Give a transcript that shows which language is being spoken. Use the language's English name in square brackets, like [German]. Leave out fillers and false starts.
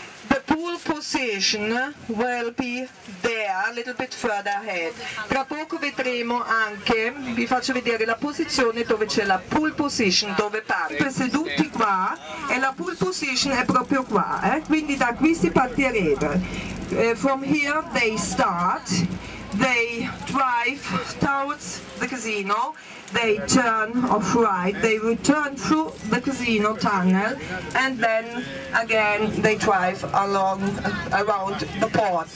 [English] The pole position will be there, a little bit further ahead. [Italian] Tra poco vedremo anche, vi faccio vedere la posizione dove c'è la pole position, dove parte. Seduti qua, e la pole position è proprio qua, eh? Quindi da qui si partirebbe. [English] From here they start, they drive towards the casino, they turn off right, they return through the casino tunnel, and then again they drive along around the port.